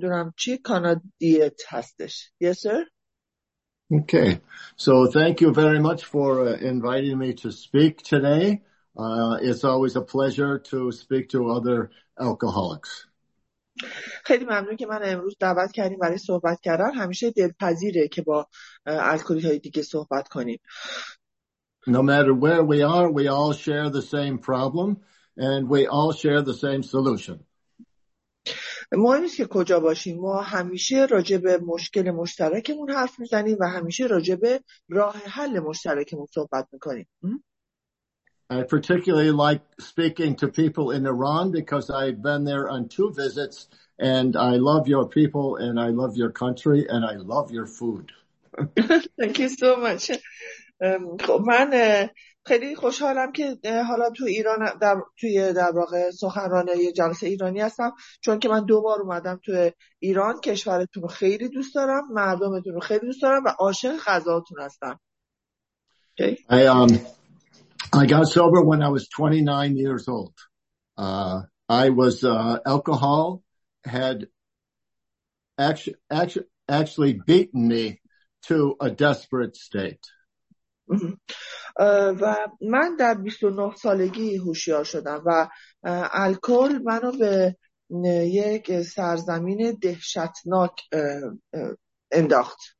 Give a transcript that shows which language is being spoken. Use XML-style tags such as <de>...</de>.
<en>And I have a group of Canadian friends. Yes, sir. Okay. So thank you very much for inviting me to speak today. It's always a pleasure to speak to other alcoholics.</en> <fa>خیلی ممنون که من امروز دعوت کردیم برای صحبت کردن. همیشه دلپذیره که با الکلی‌های دیگه صحبت کنیم.</fa> <en>No matter where we are, we all share the same problem and we all share the same solution.</en> <fa>مهم نیست که کجا باشیم، ما همیشه راجع به مشکل مشترکمون حرف می‌زنیم و همیشه راجع به راه حل مشترکمون صحبت می‌کنیم.</fa> <en>I particularly like speaking to people in Iran because I've been there on two visits and I love your people and I love your country and I love your food. Thank you so much.</en> <fa>خب من خیلی خوشحالم که حالا تو ایران توی در واقع سخنران یه جلسه ایرانی هستم، چون که من دو بار اومدم تو ایران. کشورتون رو خیلی دوست دارم، مردمتون رو خیلی دوست دارم و عاشق غذاتون هستم.</fa> <en>Okay. I got sober when I was 29 years old. I was alcohol had actually beaten me to a desperate state.</en> <fa>و من در 29 سالگی هوشیار شدم و الکل منو به یک سرزمین دهشتناک انداخت.</fa>